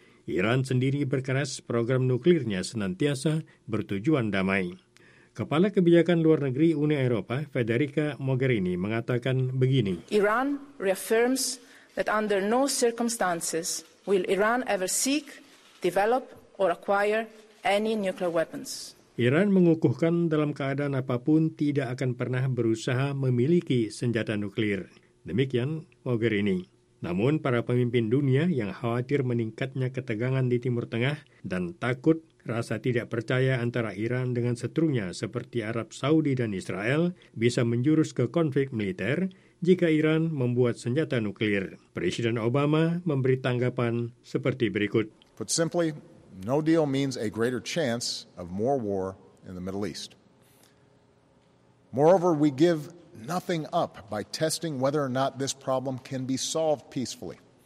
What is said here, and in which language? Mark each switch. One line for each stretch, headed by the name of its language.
Indonesian: Iran sendiri berkeras program nuklirnya senantiasa bertujuan damai. Kepala Kebijakan Luar Negeri Uni Eropa, Federica Mogherini, mengatakan begini.
English: Iran reaffirms that under no circumstances will Iran ever seek, develop, or acquire any nuclear weapons.
Indonesian: Iran mengukuhkan dalam keadaan apapun tidak akan pernah berusaha memiliki senjata nuklir. Demikian Mogherini. Namun para pemimpin dunia yang khawatir meningkatnya ketegangan di Timur Tengah dan takut rasa tidak percaya antara Iran dengan seterunya seperti Arab Saudi dan Israel bisa menjurus ke konflik militer jika Iran membuat senjata nuklir. Presiden Obama memberi tanggapan seperti berikut.
English: Put simply, no deal means a greater chance of more war in the Middle East. Moreover, we give nothing up by testing whether or not this problem can be solved peacefully.